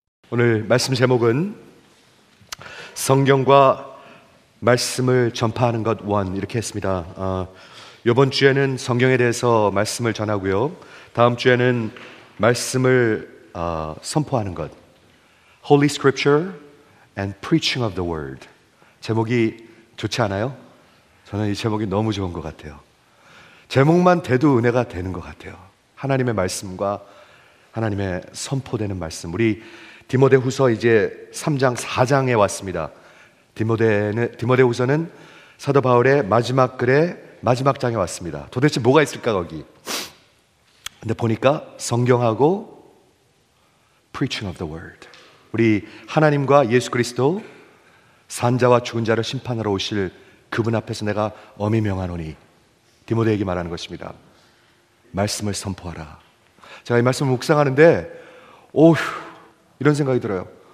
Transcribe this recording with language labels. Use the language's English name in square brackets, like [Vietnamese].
[Korean] 오늘 말씀 제목은 성경과 말씀을 전파하는 것 1 이렇게 했습니다. 이번 주에는 성경에 대해서 말씀을 전하고요. 다음 주에는 말씀을 선포하는 것. [English] Holy Scripture and Preaching of the Word. [Korean] 제목이 좋지 않아요? 저는 이 제목이 너무 좋은 것 같아요. 제목만 돼도 은혜가 되는 것 같아요. 하나님의 말씀과 하나님의 선포되는 말씀. 우리 디모데후서 이제 3장 4장에 왔습니다. 디모데후서는 사도 바울의 마지막 글의 마지막 장에 왔습니다. 도대체 뭐가 있을까 거기? 근데 보니까 성경하고 [English] preaching of the word. [Korean] 우리 하나님과 예수 그리스도 산자와 죽은 자를 심판하러 오실 그분 앞에서 내가 엄히 명하노니 디모데에게 말하는 것입니다. 말씀을 선포하라. 제가 이 말씀을 묵상하는데 오휴 이런 생각이 들어요.